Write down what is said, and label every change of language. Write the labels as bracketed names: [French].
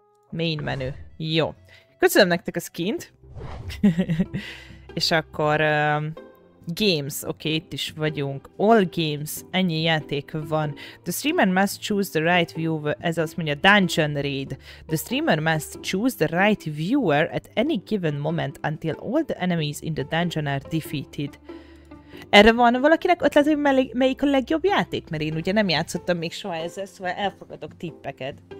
[Hungarian] Main menü. Jó. Köszönöm nektek a skint. És akkor... Games, oké, itt is vagyunk. All games, ennyi játék van. [English] The streamer must choose the right viewer, [Hungarian] ez azt mondja, [English] dungeon raid. The streamer must choose the right viewer at any given moment until all the enemies in the dungeon are defeated. [Hungarian] Erre van valakinek ötlet, hogy melyik a legjobb játék? Mert én ugye nem játszottam még soha ezzel, szóval elfogadok tippeket.